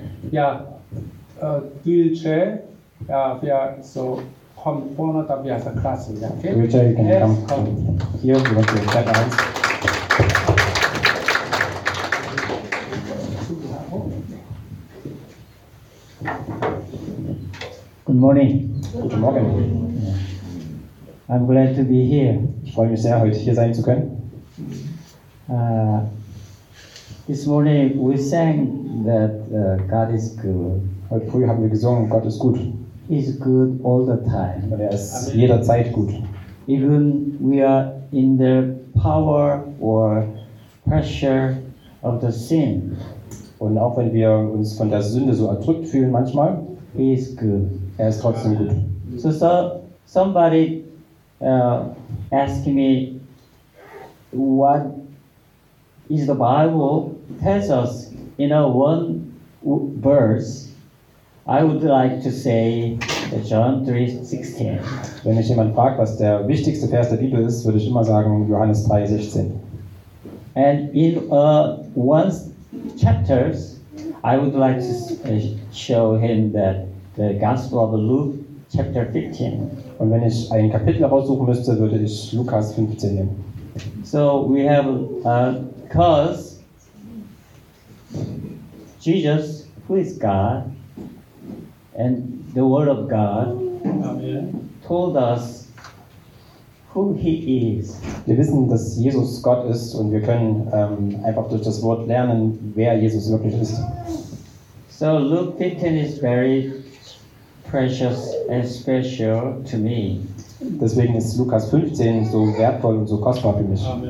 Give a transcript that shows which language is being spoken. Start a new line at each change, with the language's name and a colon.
German: Ja, Du Il Che, ja, wir so kommt vorne, da wir aus der Klasse, ja, okay?
English: Richard, you can come here, you want to clap your hands. Good morning.
German: Guten Morgen.
English: I'm glad to be here.
German: Ich freue mich sehr, heute hier sein zu können.
English: This morning we sang that God is good.
German: Heute früh haben wir gesungen, Gott ist gut.
English: Is good all the time.
German: Und er ist jederzeit gut.
English: Even we are in the power or pressure of the sin.
German: Und auch wenn wir uns von der Sünde so erdrückt fühlen manchmal,
English: he is good.
German: Er ist trotzdem gut.
English: So somebody asked me, what is the Bible tells us in a one verse? I would like to say John 3:16.
German: Wenn mich jemand fragt, was der wichtigste Vers der Bibel ist, würde ich immer sagen Johannes 3:16.
English: And in one chapters, I would like to show him that the Gospel of Luke chapter 15.
German: Und wenn ich ein Kapitel raussuchen müsste, würde ich Lukas 15 nehmen.
English: So we have cause Jesus, who is God, and the Word of God told us who He is.
German: Wir wissen, dass Jesus Gott ist, und wir können einfach durch das Wort lernen, wer Jesus wirklich ist.
English: So Luke 15 is very precious and special to me.
German: Deswegen ist Lukas 15 so wertvoll und so kostbar für mich.